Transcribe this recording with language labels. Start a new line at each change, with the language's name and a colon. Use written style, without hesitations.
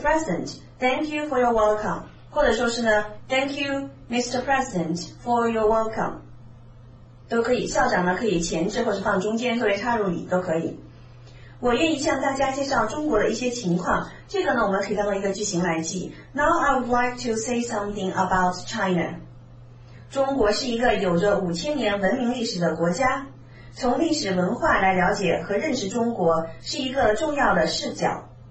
English: President Thank you for your welcome，
Chinese: 或者说是呢
English: Thank you Mr. President for your welcome
Chinese: 都可以，校长呢可以前置或是放中间作为插入语都可以。我愿意向大家介绍中国的一些情况，这个呢我们可以当作一个句型来记。
English: Now I would like to say something about China.
Chinese: 中国是一个有着5000年文明历史的国家，从历史文化来了解和认识中国是一个重要的视角。